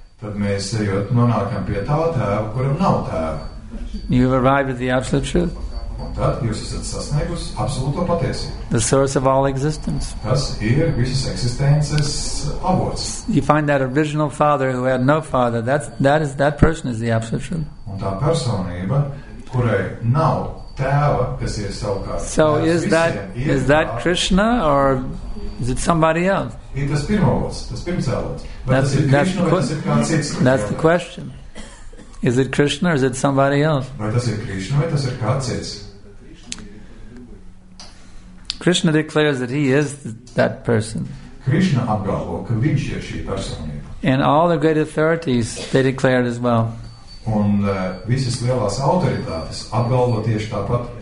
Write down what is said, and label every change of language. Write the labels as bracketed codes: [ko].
[lv] Tad mēs ejot nonākam pie tā tēva, kuram nav tēva. [en] You have arrived at the absolute truth. [lv] Un tad jūs esat sasniegus absolūto patiesību. [en] The source of all existence. [lv] Tas ir visas eksistences avots. [en] You find that original father who had no father, that person is the absolute truth. [lv] Un tā personība, kurai nav tēva, kas ir savukārt. [en] So is that Krishna or is it somebody else? [lv] Ir tas pirmavots, tas pirmcēlots. That's [en] the question. Is it Krishna or is it somebody else? [lv] Vai tas ir Krishna vai tas ir kāds cits? [en] Krishna declares that he is that person. [lv] Krishna apgalvo, ka viņš ir šī personība. [en] And all the great authorities, they declared as well. [lv] Un visas lielās autoritātes atgalvo tieši tāpat.